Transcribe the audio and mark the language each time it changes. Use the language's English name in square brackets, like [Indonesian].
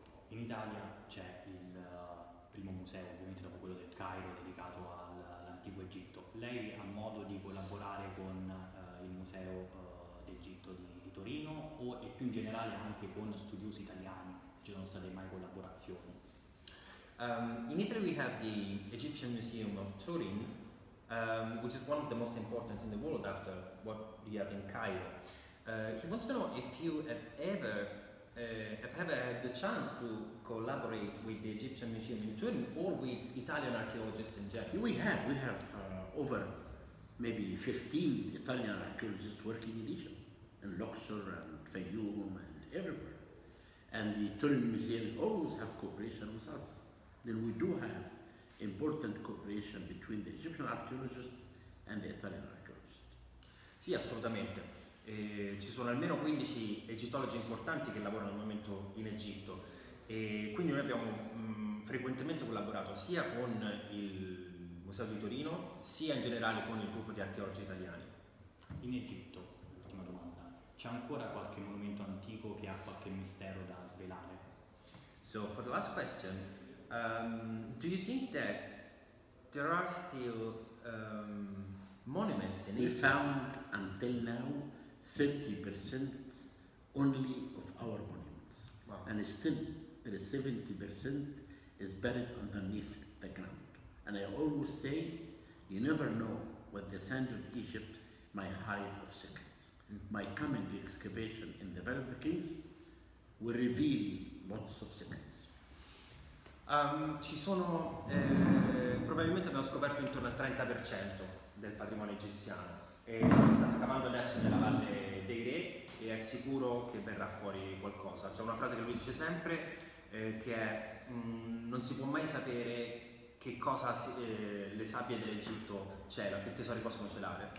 [Italian] In Italia c'è il primo museo, ovviamente dopo quello del Cairo, dedicato all'antico Egitto. Lei ha modo di collaborare con il Museo d'Egitto di Torino, o e più in generale anche con studiosi italiani? Ci sono state mai collaborazioni? [English] In Italy we have the Egyptian Museum of Turin, which is one of the most important in the world after what we have in Cairo. He wants to know if you have ever had the chance to collaborate with the Egyptian Museum in Turin or with Italian archaeologists in general. We have over maybe 15 Italian archaeologists working in Egypt, in Luxor and Fayoum and everywhere. And the Turin Museum always have cooperation with us. Then we do have important cooperation between the Egyptian archaeologist and the Italian archaeologist. [Italian] Sì, assolutamente. Ci sono almeno 15 egittologi importanti che lavorano al momento in Egitto, e quindi noi abbiamo frequentemente collaborato sia con il Museo di Torino, sia in generale con il gruppo di archeologi italiani. In Egitto, ultima domanda, c'è ancora qualche monumento antico che ha qualche mistero da svelare? [English] So, for the last question, do you think that there are still monuments in we Egypt. We found until now 30% only of our monuments. Wow. And still there is 70% is buried underneath the ground. And I always say, you never know what the sand of Egypt might hide of secrets. Mm-hmm. My coming excavation in the Valley of the Kings will reveal lots of secrets. [Italian] Ci sono, probabilmente abbiamo scoperto intorno al 30% del patrimonio egiziano e sta scavando adesso nella Valle dei Re e è sicuro che verrà fuori qualcosa. C'è una frase che lui dice sempre che è non si può mai sapere che cosa le sabbie dell'Egitto c'era, che tesori possono celare.